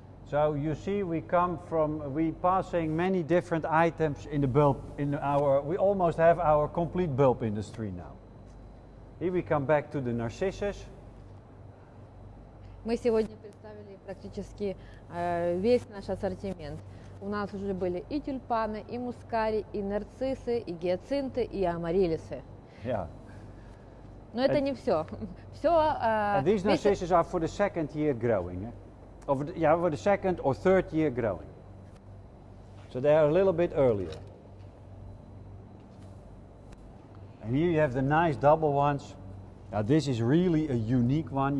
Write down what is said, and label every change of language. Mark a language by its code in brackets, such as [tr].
[en] So you see we're passing many different items in the bulb, we almost have our complete bulb industry now. Here we come back to the narcissus. [ru] Мы сегодня представили практически весь наш ассортимент. У нас уже были и тюльпаны, и мускари, и нарциссы, и гиацинты, и амариллисы. [en] Yeah. [ru] Но это не все. Все. [en] These narcissus are for the second year growing. For the second or third year growing. So they are a little bit earlier. And here you have the nice double ones. Now this is really a unique one.